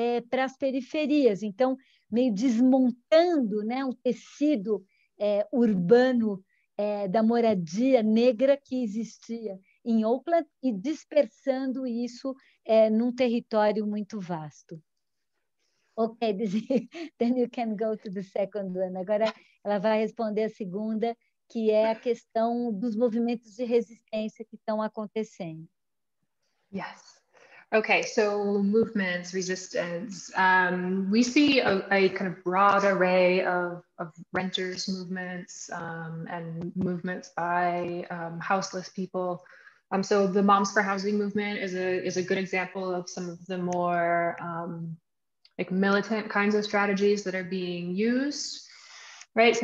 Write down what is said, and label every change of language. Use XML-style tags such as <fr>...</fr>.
<pt>para as periferias, então meio desmontando, né, o tecido urbano da moradia negra que existia em Oakland e dispersando isso num território muito vasto.</pt> <en>Ok, then you can go to the second one.</en> <pt>Agora ela vai responder a segunda, que é a questão dos movimentos de resistência que estão acontecendo.</pt> <en>Yes. Okay, so movements, resistance. We see a kind of broad array of renters movements and movements by houseless people. So the Moms for Housing movement is a good example of some of the more like militant kinds of strategies that are being used, right?</en>